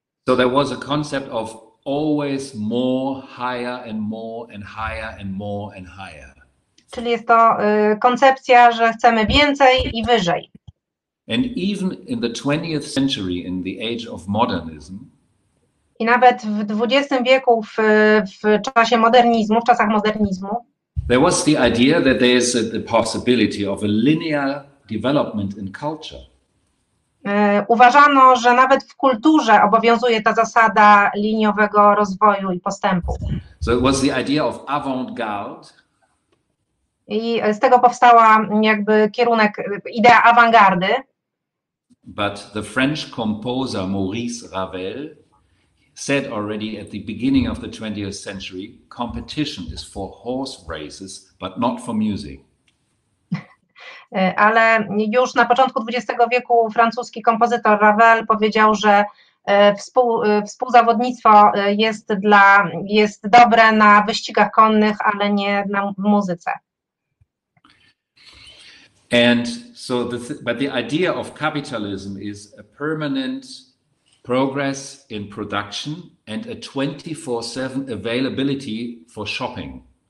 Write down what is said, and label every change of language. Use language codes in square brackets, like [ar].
[en] So there was a concept of always more, higher and more, and higher and more, and higher. [pl] Czyli jest to koncepcja, że chcemy więcej i wyżej. [en] And even in the 20th century, in the age of modernism, [pl] i nawet w XX wieku, w czasie modernizmu, w czasach modernizmu, [en] there was the idea that there is the possibility of a linear development in culture. [pl] Uważano, że nawet w kulturze obowiązuje ta zasada liniowego rozwoju i postępu. [en] So it was the idea of avant-garde. [pl] I z tego powstała jakby kierunek, idea awangardy. [en] But the French composer Maurice Ravel said already at the beginning of the 20th century, competition is for horse races, but not for music. [pl] Ale już na początku XX wieku francuski kompozytor Ravel powiedział, że współzawodnictwo jest dobre na wyścigach konnych, ale nie w muzyce. [en] And so but the idea of capitalism is a permanent progress in production and a 24/7 availability for shopping.